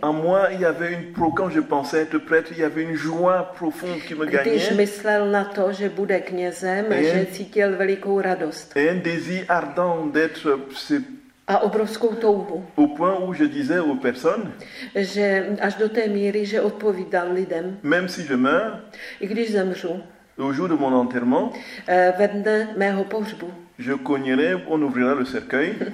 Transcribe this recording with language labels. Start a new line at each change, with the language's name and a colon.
French: En moi, il y avait une quand je pensais être prêtre, il y avait une joie profonde qui me gagnait.
Czech: Když myslel na to, že bude knězem, že cítil velikou radost.
French: Et un désir ardent d'être
Czech: a obrovskou touhu.
French: Au point où je disais aux personnes,
Czech: že až do té míry, že odpovídal lidem.
French: Même si je meurs,
Czech: i když zemřu.
French: Au jour de mon enterrement,
Czech: ve dne mého pohřbu.
French: Je cognerai, on ouvrira le cercueil.